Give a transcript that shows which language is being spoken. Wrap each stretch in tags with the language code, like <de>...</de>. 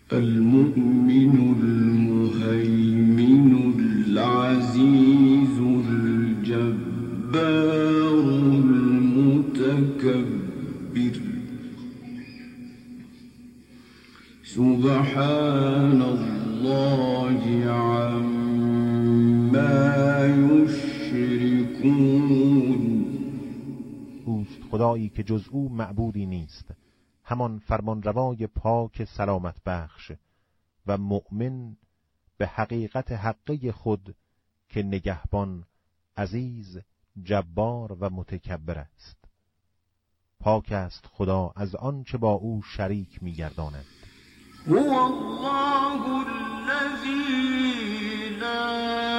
<ar>المؤمن المهيمن العزيز الجبار المتكبر سبحان الله عما يشركون.</ar> <fa>اوست خدایی که جز او معبودی نیست، همان فرمان روای پاک سلامت بخش و مؤمن به حقیقت حقه خود که نگهبان، عزیز، جبار و متکبر است. پاک است خدا از آن چه با او شریک می گرداند.</fa> <ar>هو الله الذی لا</ar>